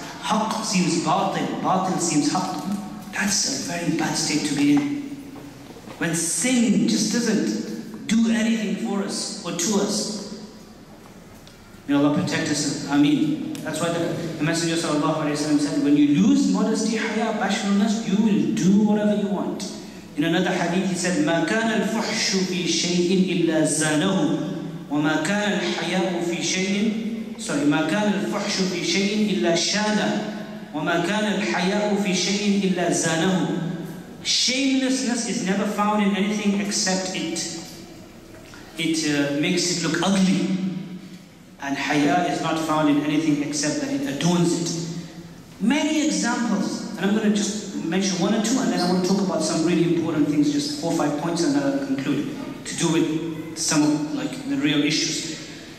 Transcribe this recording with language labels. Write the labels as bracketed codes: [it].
[en] Haqq seems batil, batil seems haqq. That's a very bad state to be in. When sin just doesn't do anything for us or to us. May Allah protect us. Ameen. That's why the Messenger sallallahu alayhi wa sallam said, when you lose modesty, haya, bashfulness, you will do whatever you want. [ar] In another hadith, he said, مَا كَانَ الْفُحْشُ فِي شَيْءٍ إِلَّا زَانَهُ وَمَا كَانَ الْحَيَاءُ فِي شَيْءٍ [en] Sorry, [ar] مَا كَانَ الْفُحْشُ فِي شَيْءٍ إِلَّا شَانَهُ وَمَا كَانَ الْحَيَاءُ فِي شَيْءٍ إِلَّا زَانَهُ [en] Shamelessness is never found in anything except it. It makes it look ugly. And haya is not found in anything except that it adorns it. Many examples, and I'm going to just mention one or two, and then I want to talk about some really important things, just four or five points, and then I'll conclude to do with some of like the real issues.